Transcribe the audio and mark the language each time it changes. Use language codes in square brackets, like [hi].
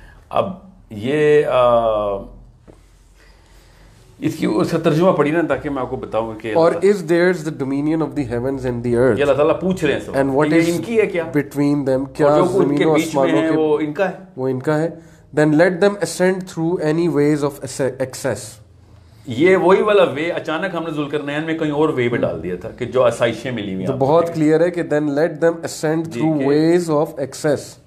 [ur] اب یہ اس کی اس کا ترجمہ پڑھی نا تاکہ میں آپ کو بتاؤں کہ [en] اور is there is the dominion of the heavens and the earth, [ur] یہ اللہ تعالیٰ پوچھ رہے ہیں سب, [en] and what is [ur] ان کی ہے, کیا [en] between them, کیا [ur] زمین و آسمانوں کے وہ ان کا ہے, وہ ان کا ہے. [en] Then let them ascend through any ways of access. [ur] یہ وہی والا وے اچانک ہم نے ذوالقرنین میں کہیں اور وے پہ ڈال دیا تھا کہ جو آسائشیں ملی ہوئی ہیں, بہت کلیئر ہے کہ [en] then let them ascend through ways of access,